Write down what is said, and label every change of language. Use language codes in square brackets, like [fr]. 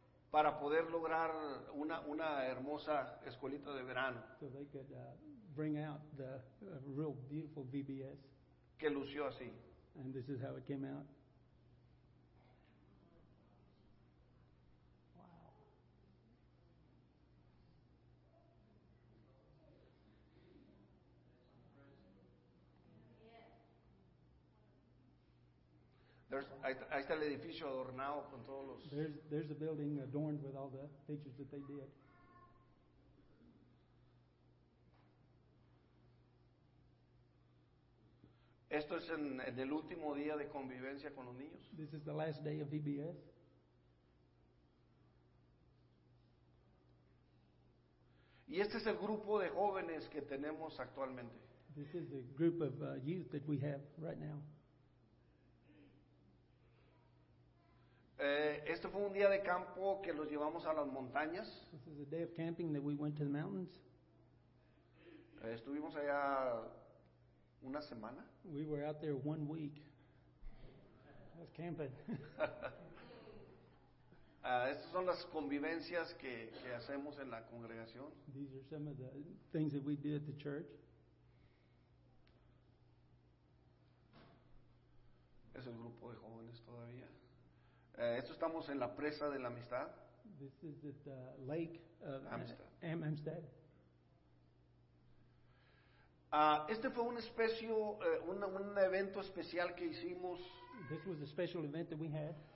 [es] Para poder lograr una hermosa escuelita de verano. [en] So they could bring out the real beautiful VBS. [es] Que lució así. [en] And this is how it came out. [es] Ahí está el edificio adornado con todos los. [en] There's a building adorned with all the pictures that they did. [es] Esto es en el último día de convivencia con los niños. [en] This is the last day of VBS. [es] Y este es el grupo de jóvenes que tenemos actualmente. [en] This is the group of youth that we have right now. [es] Esto fue un día de campo que los llevamos a las montañas. [en] This is a day of camping that we went to the mountains. [es] Estuvimos allá una semana. [en] We were out there 1 week. I was camping. [es] Estas son las convivencias que hacemos en la congregación. [en] These are some of the things that we did at the church. [es] Es el grupo de jóvenes todavía. Esto estamos en la presa de la amistad. [en] This is at the lake of Amistad. [es] Este fue un especio, un evento especial que hicimos. [en] This was a special event that we had.